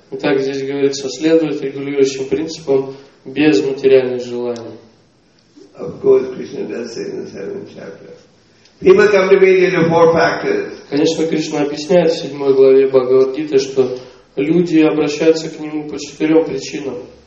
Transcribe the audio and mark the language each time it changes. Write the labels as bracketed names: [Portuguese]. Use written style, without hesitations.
[Russian] Итак, здесь говорится, следует регулирующим принципам без материальных желаний. [English] Of course, Krishna does say in the seventh chapter. People come to me due to four factors. [Russian] Конечно, Кришна объясняет в седьмой главе Бхагавад-гиты, что люди обращаются к нему по четырем причинам.